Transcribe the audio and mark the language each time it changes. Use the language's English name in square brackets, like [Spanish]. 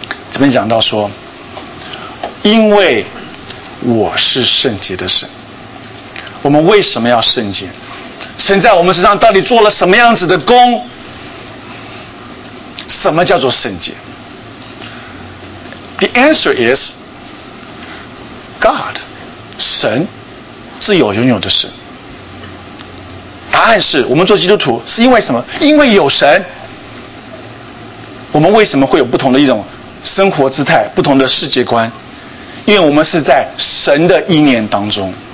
[Chinese] 这边讲到说，因为我是圣洁的神，我们为什么要圣洁？神在我们身上到底做了什么样子的工？什么叫做圣洁？ [English] The answer is God， [Chinese] 神，自有拥有的神。答案是我们做基督徒是因为什么？因为有神。我们为什么会有不同的一种生活姿态，不同的世界观？因为我们是在神的意念当中。